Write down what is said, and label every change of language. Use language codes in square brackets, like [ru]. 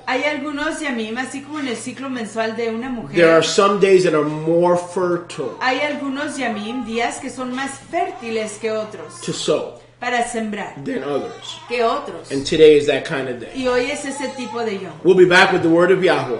[es] Hay algunos yamim, así como en el ciclo mensual de una mujer. [en] There are some days that are more fertile. [es] Hay algunos yamim, días que son más fértiles que otros. [en] To sow. [es] para sembrar [en] than others. [es] Que otros. [en] And today is that kind of day. [es] Y hoy es ese tipo de yo. [en] We'll be back with the word of Yahweh.